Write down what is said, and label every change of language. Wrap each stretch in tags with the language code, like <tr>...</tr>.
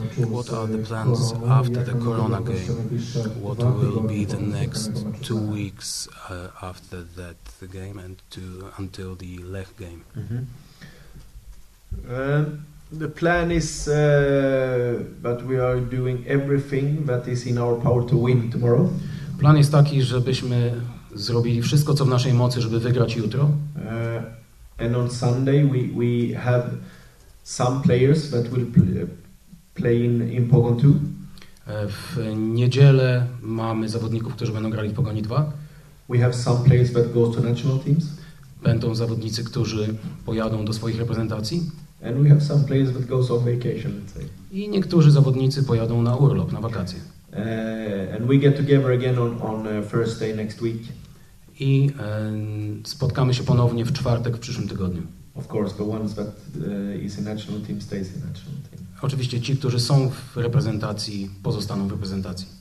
<en>what are the plans after the Corona game? What will be the next 2 weeks after that game and until the Lech game? Mm-hmm. The plan is that we are doing everything that is in our power to win tomorrow.</en> <pl>Plan jest taki, żebyśmy zrobili wszystko, co w naszej mocy, żeby wygrać jutro.</pl> <en>And on Sunday we have some players that will play in Pogoń 2.</en> <pl>W niedzielę mamy zawodników, którzy będą grali w Pogoni 2.</pl> <en>We have some players that go to national teams.</en> <pl>Będą zawodnicy, którzy pojadą do swoich reprezentacji.</pl> <en>And we have some players that go on vacation, let's say.</en> <pl>I niektórzy zawodnicy pojadą na urlop, na wakacje.</pl> <en>And we get together again on Thursday next week.</en> <pl>I spotkamy się ponownie w czwartek w przyszłym tygodniu.</pl> <en>Of course, the ones that is a national team stays a national team.</en> <pl>Oczywiście ci, którzy są w reprezentacji, pozostaną w reprezentacji.</pl>